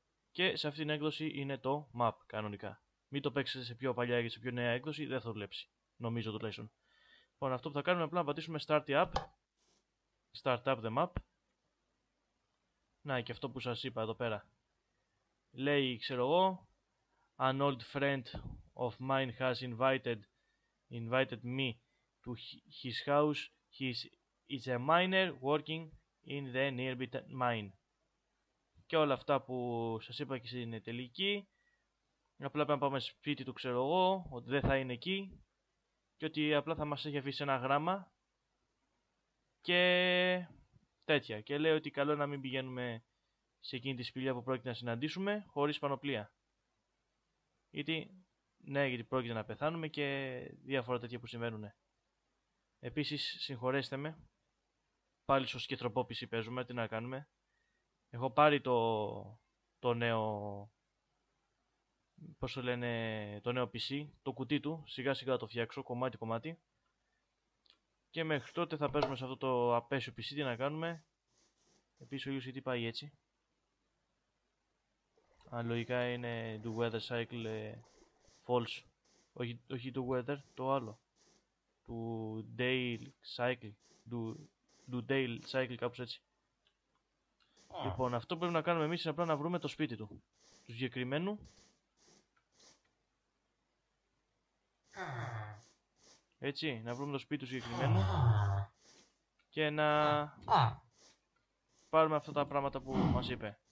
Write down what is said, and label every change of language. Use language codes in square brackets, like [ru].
[el] Και σε αυτήν την έκδοση είναι το map κανονικά. Μην το παίξετε σε πιο παλιά ή σε πιο νέα έκδοση, δεν θα δουλέψει. Νομίζω τουλάχιστον. Λοιπόν, αυτό που θα κάνουμε απλά να πατήσουμε [en] Start the App. Start up the map. [el] Να, και αυτό που σας είπα εδώ πέρα. Λέει, ξέρω εγώ, [en] an old friend of mine has invited me to his house. He is a miner working in the nearby mine. [el] Και όλα αυτά που σας είπα και στην τελική, απλά πρέπει να πάμε σπίτι του, ξέρω εγώ, ότι δεν θα είναι εκεί και ότι απλά θα μας έχει αφήσει ένα γράμμα και τέτοια. Και λέει ότι καλό να μην πηγαίνουμε σε εκείνη τη σπηλιά που πρόκειται να συναντήσουμε χωρίς πανοπλία. Γιατί, ναι, γιατί πρόκειται να πεθάνουμε και διάφορα τέτοια που συμβαίνουν. Επίσης, συγχωρέστε με. Πάλι στο σκεθροπόπηση παίζουμε, τι να κάνουμε. Έχω πάρει το νέο, πώς το λένε, το νέο PC, το κουτί του. Σιγά σιγά το φτιάξω, κομμάτι-κομμάτι. Και μέχρι τότε θα παίζουμε σε αυτό το απέσιο PC, τι να κάνουμε. Επίσης, ο ήλιος γιατί πάει έτσι. Αλογικά είναι το weather cycle false. Όχι το weather, το άλλο. Το day cycle. Το day cycle, κάπως έτσι. Λοιπόν, αυτό που πρέπει να κάνουμε εμείς είναι απλά να βρούμε το σπίτι του. Του συγκεκριμένου. Έτσι, να βρούμε το σπίτι του συγκεκριμένου. Και να πάρουμε αυτά τα πράγματα που μας είπε.